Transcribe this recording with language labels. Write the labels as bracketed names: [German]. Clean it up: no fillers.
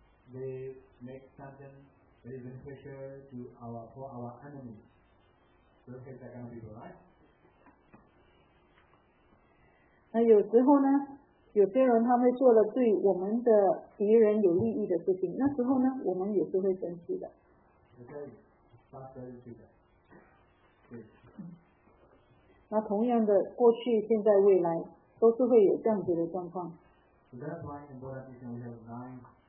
[English] They make something very beneficial to our, for our enemies. So that kind of people, right? [Chinese] 那有时候呢，有些人他们做了对我们的敌人有利益的事情，那时候呢，我们也是会生气的。 [English] Okay, that's very good. Good. [Chinese] 那同样的，过去、现在、未来，都是会有这样子的状况。 [English] So that's why in Buddha teaching we have nine.